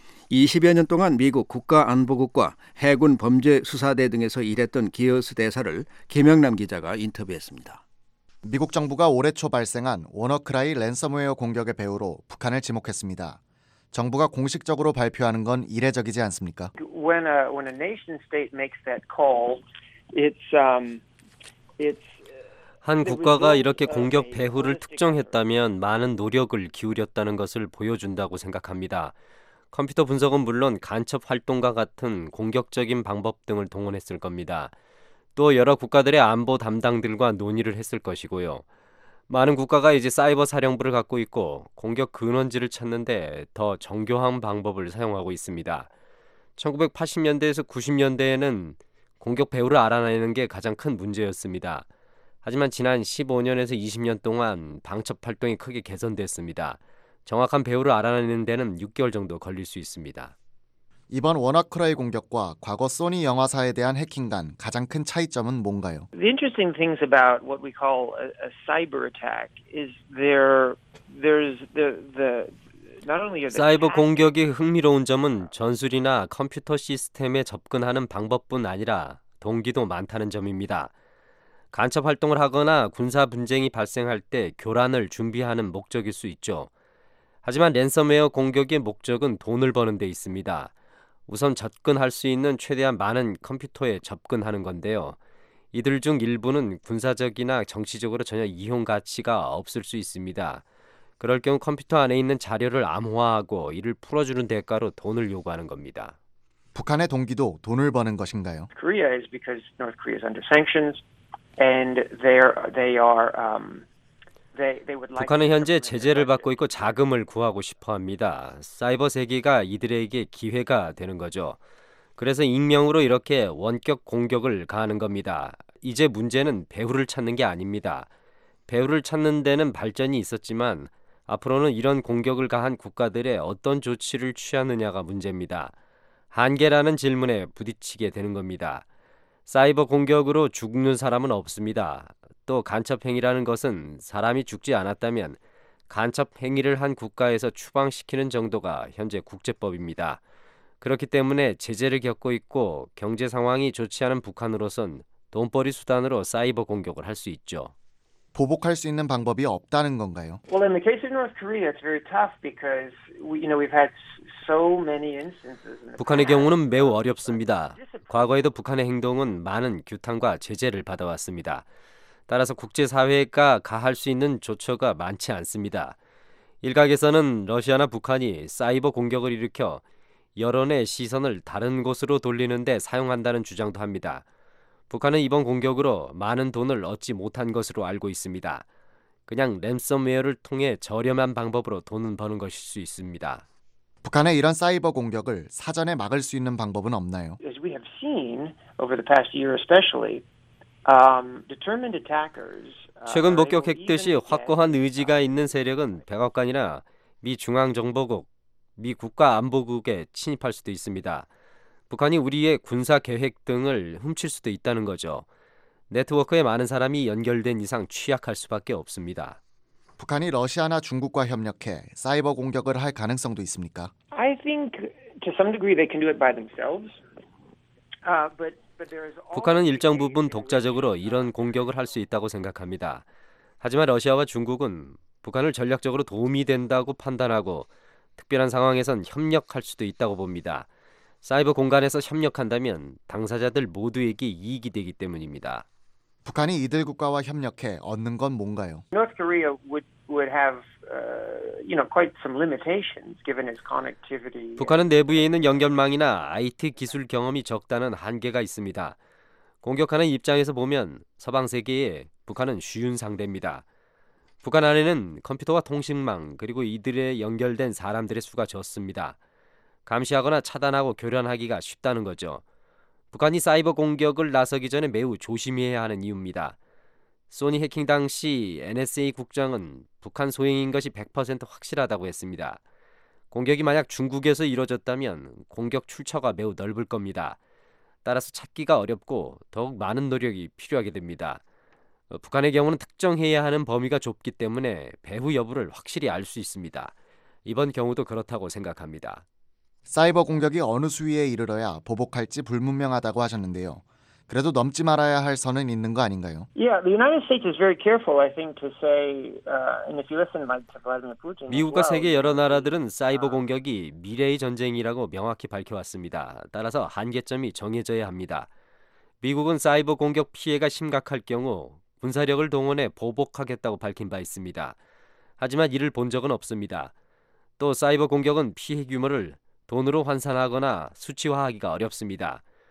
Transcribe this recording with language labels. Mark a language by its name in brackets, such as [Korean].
[Korean] 20여 년 동안 미국 국가안보국과 해군범죄수사대 등에서 일했던 기어스 대사를 김영남 기자가 인터뷰했습니다. 미국 정부가 올해 초 발생한 워너크라이 랜섬웨어 공격의 배후로 북한을 지목했습니다. 정부가 공식적으로 발표하는 건 이례적이지 않습니까? [English] When a nation state makes that call, it's [Korean] 한 국가가 이렇게 공격 배후를 특정했다면 많은 노력을 기울였다는 것을 보여준다고 생각합니다. 컴퓨터 분석은 물론 간첩 활동과 같은 공격적인 방법 등을 동원했을 겁니다. 또 여러 국가들의 안보 담당들과 논의를 했을 것이고요. 많은 국가가 이제 사이버 사령부를 갖고 있고 공격 근원지를 찾는데 더 정교한 방법을 사용하고 있습니다. 1980년대에서 90년대에는 공격 배후를 알아내는 게 가장 큰 문제였습니다. 하지만 지난 15년에서 20년 동안 방첩 활동이 크게 개선됐습니다. 정확한 배후를 알아내는 데는 6개월 정도 걸릴 수 있습니다. 이번 워너크라이 공격과 과거 소니 영화사에 대한 해킹 간 가장 큰 차이점은 뭔가요? [English] The interesting things about what we call a cyber attack is there's the [Korean] 사이버 공격의 흥미로운 점은 전술이나 컴퓨터 시스템에 접근하는 방법뿐 아니라 동기도 많다는 점입니다. 간첩 활동을 하거나 군사 분쟁이 발생할 때 교란을 준비하는 목적일 수 있죠. 하지만 랜섬웨어 공격의 목적은 돈을 버는 데 있습니다. 우선 접근할 수 있는 최대한 많은 컴퓨터에 접근하는 건데요. 이들 중 일부는 군사적이나 정치적으로 전혀 이용 가치가 없을 수 있습니다. 그럴 경우 컴퓨터 안에 있는 자료를 암호화하고 이를 풀어주는 대가로 돈을 요구하는 겁니다. 북한의 동기도 돈을 버는 것인가요? [English] Korea is because North Korea is under sanctions and they would like [Korean] 북한은 현재 제재를 받고 있고 자금을 구하고 싶어 합니다. 사이버 세계가 이들에게 기회가 되는 거죠. 그래서 익명으로 이렇게 원격 공격을 가하는 겁니다. 이제 문제는 배후를 찾는 게 아닙니다. 배후를 찾는 데는 발전이 있었지만 앞으로는 이런 공격을 가한 국가들의 어떤 조치를 취하느냐가 문제입니다. 한계라는 질문에 부딪히게 되는 겁니다. 사이버 공격으로 죽는 사람은 없습니다. 또 간첩행위라는 것은 사람이 죽지 않았다면 간첩행위를 한 국가에서 추방시키는 정도가 현재 국제법입니다. 그렇기 때문에 제재를 겪고 있고 경제 상황이 좋지 않은 북한으로선 돈벌이 수단으로 사이버 공격을 할 수 있죠. 보복할 수 있는 방법이 없다는 건가요? [English] Well, in the case of North Korea, it's very tough because we've had so many instances. [Korean] 북한의 경우는 매우 어렵습니다. 과거에도 북한의 행동은 많은 규탄과 제재를 받아왔습니다. 따라서 국제사회가 가할 수 있는 조처가 많지 않습니다. 일각에서는 러시아나 북한이 사이버 공격을 일으켜 여론의 시선을 다른 곳으로 돌리는 데 사용한다는 주장도 합니다. 북한은 이번 공격으로 많은 돈을 얻지 못한 것으로 알고 있습니다. 그냥 랜섬웨어를 통해 저렴한 방법으로 돈은 버는 것일 수 있습니다. 북한의 이런 사이버 공격을 사전에 막을 수 있는 방법은 없나요? [English] As we have seen over the past year especially, determined attackers [Korean] 최근 목격했듯이 확고한 의지가 있는 세력은 백악관이나 미 중앙정보국, 미 국가안보국에 침입할 수도 있습니다. 북한이 우리의 군사 계획 등을 훔칠 수도 있다는 거죠. 네트워크에 많은 사람이 연결된 이상 취약할 수밖에 없습니다. 북한이 러시아나 중국과 협력해 사이버 공격을 할 가능성도 있습니까? [English] I think to some degree they can do it by themselves. But there is [Korean] 북한은 일정 부분 독자적으로 이런 공격을 할 수 있다고 생각합니다. 하지만 러시아와 중국은 북한을 전략적으로 도움이 된다고 판단하고 특별한 상황에선 협력할 수도 있다고 봅니다. 사이버 공간에서 협력한다면 당사자들 모두에게 이익이 되기 때문입니다. 북한이 이들 국가와 협력해 얻는 건 뭔가요? [English] North Korea would have quite some limitations given its connectivity. [Korean] 북한은 내부에 있는 연결망이나 IT 기술 경험이 적다는 한계가 있습니다. 공격하는 입장에서 보면 서방 세계에 북한은 쉬운 상대입니다. 북한 안에는 컴퓨터와 통신망 그리고 이들에 연결된 사람들의 수가 적습니다. 감시하거나 차단하고 교란하기가 쉽다는 거죠. 북한이 사이버 공격을 나서기 전에 매우 조심해야 하는 이유입니다. 소니 해킹 당시 NSA 국장은 북한 소행인 것이 100% 확실하다고 했습니다. 공격이 만약 중국에서 이루어졌다면 공격 출처가 매우 넓을 겁니다. 따라서 찾기가 어렵고 더욱 많은 노력이 필요하게 됩니다. 북한의 경우는 특정해야 하는 범위가 좁기 때문에 배후 여부를 확실히 알 수 있습니다. 이번 경우도 그렇다고 생각합니다. 사이버 공격이 어느 수위에 이르러야 보복할지 불분명하다고 하셨는데요. 그래도 넘지 말아야 할 선은 있는 거 아닌가요? [English] Yeah, the United States is very careful, I think, to say, and if you listen to Vladimir Putin. [Korean] 미국과 세계 여러 나라들은 사이버 공격이 미래의 전쟁이라고 명확히 밝혀왔습니다. 따라서 한계점이 정해져야 합니다. 미국은 사이버 공격 피해가 심각할 경우 군사력을 동원해 보복하겠다고 밝힌 바 있습니다. 하지만 이를 본 적은 없습니다. 또 사이버 공격은 피해 규모를 돈으로 환산하거나 수치화하기가 어렵습니다.